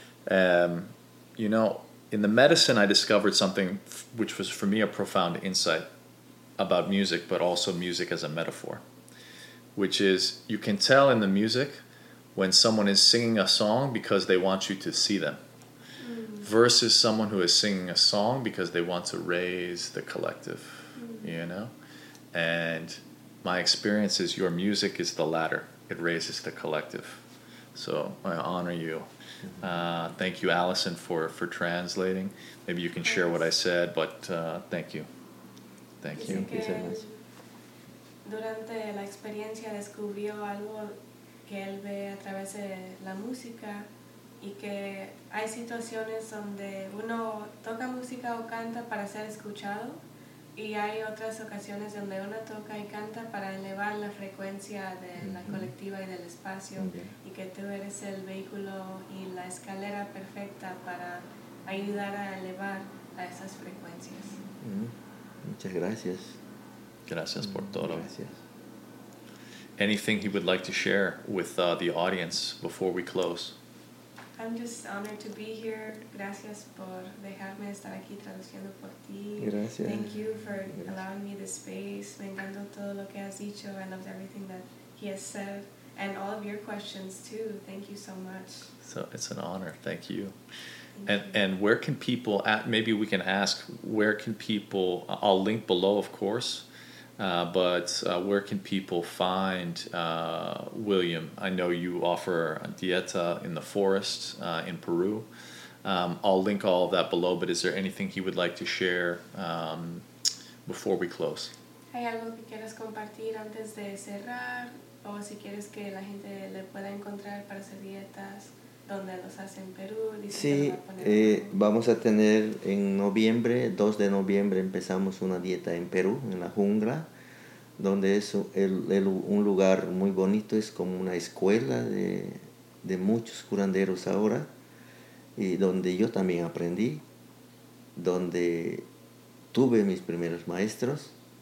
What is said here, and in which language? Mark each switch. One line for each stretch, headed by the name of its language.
English: You know, in the medicine I discovered something which was for me a profound insight about music, but also music as a metaphor, which is you can tell in the music when someone is singing a song because they want you to see them, versus someone who is singing a song because they want to raise the collective, you know? And my experience is your music is the latter. It raises the collective. So I honor you. Thank you, Allison, for translating. Maybe you can share what I said, but thank you. Thank you.
Spanish: Durante la experiencia descubrió algo que él ve a través de la música, y que hay situaciones donde uno toca música o canta para ser escuchado, y hay otras ocasiones donde uno toca y canta para elevar la frecuencia de la colectiva y del espacio, y que tú eres el vehículo y la escalera perfecta para ayudar a elevar a esas frecuencias. Muchas gracias. Gracias por todo. Gracias.
English: Anything he would like to share with the audience before we close? I'm just honored to be here.
Spanish: Gracias por dejarme estar aquí traduciendo por ti. Gracias.
English: Thank you for allowing me the space.
Spanish: Me encantó todo lo que has dicho.
English: I loved everything that he has said. And all of your questions too. Thank you so much. So it's an honor. Thank you. And where can people, maybe we can ask, where can people, I'll link below, of course, but where can people find William? I know you offer a dieta in the forest in Peru. I'll link all of that below, but is there anything he would like to share before we close?
Spanish: ¿Hay algo que quieras compartir antes de cerrar? O si quieres que la gente le pueda encontrar para hacer dietas. Donde los hacen Perú, dice sí, vamos a tener en noviembre, 2 de noviembre empezamos una dieta en Perú, en la jungla, donde es un lugar muy bonito, es como una escuela de muchos curanderos ahora, y donde yo también aprendí, donde tuve mis primeros maestros.